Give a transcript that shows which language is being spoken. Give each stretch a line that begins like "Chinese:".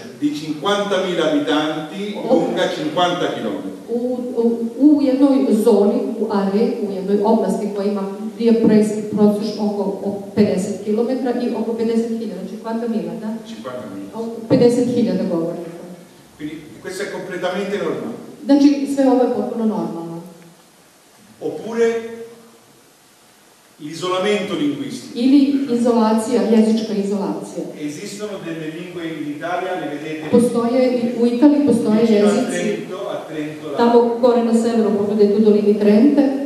Italian: Di 50.000 abitanti, lunga 50 km.
Bosnian: U jednoj zoni, u are, u jednoj oblasti koja ima dvije projekcije, prosječ oko 50 km i oko 50.000, znači 50.000, da? 50.000. 50.000 govornika.
Italian: Quindi, questo è completamente normale.
Bosnian: Znači, sve ovo je potpuno normalno.
Italian: Oppure, l'isolamento linguistico.
Bosnian: Ili izolacija, jezička izolacija.
Italian: Esistono delle lingue in Italia, le vedete?
Bosnian: Postoje, u Italiji postoje jezici.
Italian: A Trento, a Trento.
Bosnian: Tamo gore na severu, pogledajte u dolini Trente.